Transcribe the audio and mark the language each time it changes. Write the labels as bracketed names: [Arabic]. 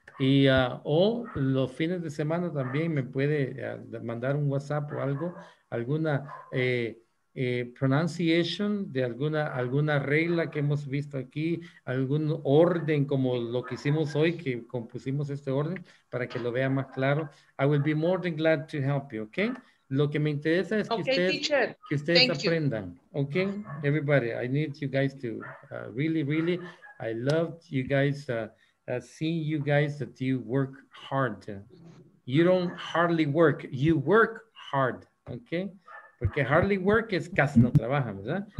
[Spanish] Y o los fines de semana también me puede mandar un WhatsApp o algo, alguna pronunciation de alguna regla que hemos visto aquí, algún orden como lo que hicimos hoy, que compusimos este orden, para que lo vea más claro. [English] I will be more than glad to help you, okay? [Spanish] Lo que me interesa es que ustedes aprendan. [English] You. Okay, everybody, I need you guys to really, I love you guys, seeing you guys that you work hard. You don't hardly work, you work hard, okay? [Spanish] Porque [English] hardly work [Spanish] es casi no trabajan, ¿verdad?